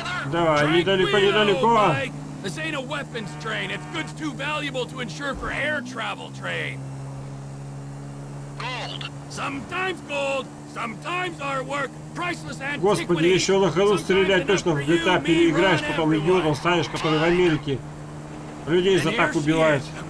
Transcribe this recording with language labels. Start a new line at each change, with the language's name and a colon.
Russian: Давай, недалеко, недалеко.
English: This ain't a weapons train. It's goods too valuable to insure for air travel train. Gold. Sometimes gold, sometimes our work.
Russian: Господи, еще на ходу стрелять точно в GTA переиграешь, потом идиотом станешь, который в Америке людей за так убивает.